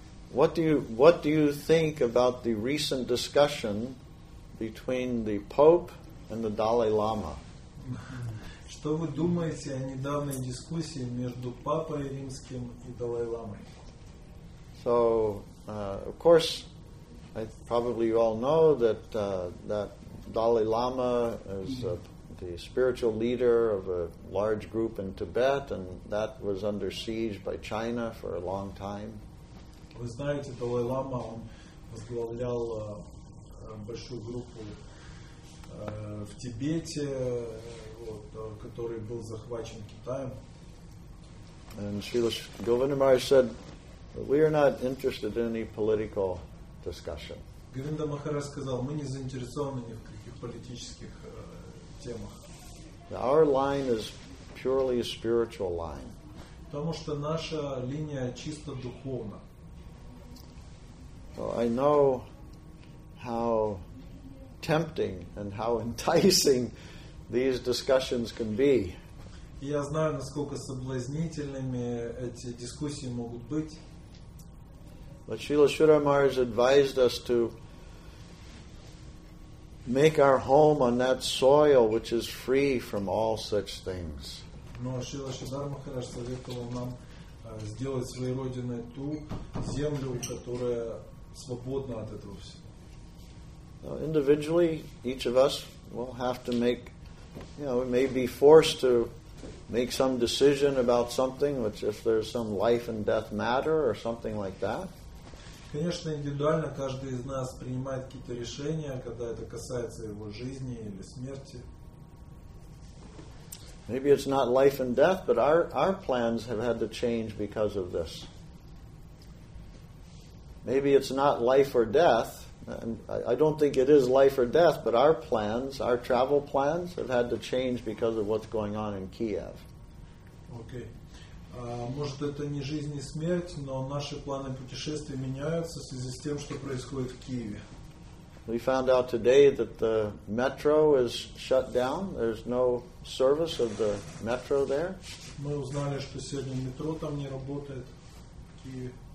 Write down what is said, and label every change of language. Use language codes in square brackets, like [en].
[en] What do you think about the recent discussion between the Pope and the Dalai Lama? [ru] Что вы думаете о недавней дискуссии между Папой Римским и Далай Ламой? [en] So, of course, I probably you all know that that Dalai Lama is the spiritual leader of a large group in Tibet, and that was under siege by China for a long time. [ru] Вы знаете, Далай Лама, он возглавлял большую группу в Тибете, который был захвачен Китаем. [en] And Srila Govinda Maharaj said, we are not interested in any political discussion. [ru] Говинда Махарадж сказал, мы не заинтересованы ни в каких политических темах. [en] Our line is purely a spiritual line. [ru] Потому что наша линия чисто духовна. [en] Well, I know how tempting and how enticing these discussions can be. [ru] Я знаю, насколько соблазнительными эти дискуссии могут быть. [en] But Srila Sridhar Maharaj advised us to make our home on that soil which is free from all such things. [ru] Но Шрила Шридхар Махарадж советовал нам сделать своей родиной ту землю, которая свободна от этого всего. [en] Individually, each of us will have to make, you know, we may be forced to make some decision about something, which if there's some life and death matter or something like that. [ru] Конечно, индивидуально каждый из нас принимает какие-то решения, когда это касается его жизни или смерти. [en] Maybe it's not life and death, but our plans have had to change because of this. Maybe it's not life or death. And I don't think it is life or death, but our plans, our travel plans, have had to change because of what's going on in Kiev. Okay. [ru] Может, это не жизнь и смерть, но наши планы путешествия меняются в связи с тем, что происходит в Киеве. [en] We found out today that the metro is shut down. There's no service of the metro there. [ru] Мы узнали, что сегодня метро там не работает в Киеве.